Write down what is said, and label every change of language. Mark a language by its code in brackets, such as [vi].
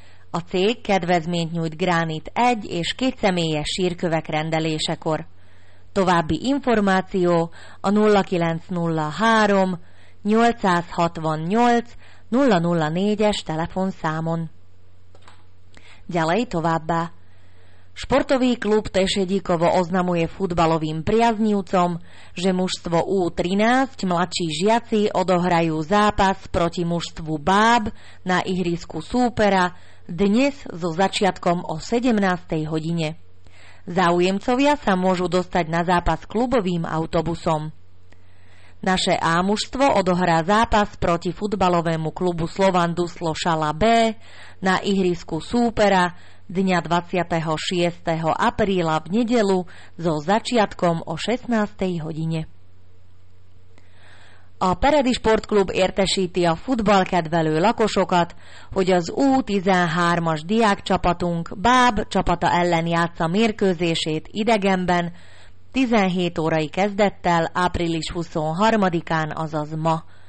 [hu] A cég kedvezményt nyújt gránit egy és két személyes sírkövek rendelésekor. További információ a 0903 868 004-es telefonszámon. [sk] Ďalej továbbá. Športový klub Tešedíkovo oznamuje futbalovým priaznivcom, že mužstvo U13 mladší žiaci odohrajú zápas proti mužstvu Báb na ihrisku súpera dnes so začiatkom o 17. hodine. Záujemcovia sa môžu dostať na zápas klubovým autobusom. Naše A-mužstvo odohrá zápas proti futbalovému klubu Slovan Duslo Šala B na ihrisku súpera dňa 26. apríla v nedeľu so začiatkom o 16. hodine. [hu] A Peredi Sportklub értesíti a futballkedvelő lakosokat, hogy az U13-as diákcsapatunk Báb csapata ellen játsza mérkőzését idegenben 17 órai kezdettel április 23-án, azaz ma.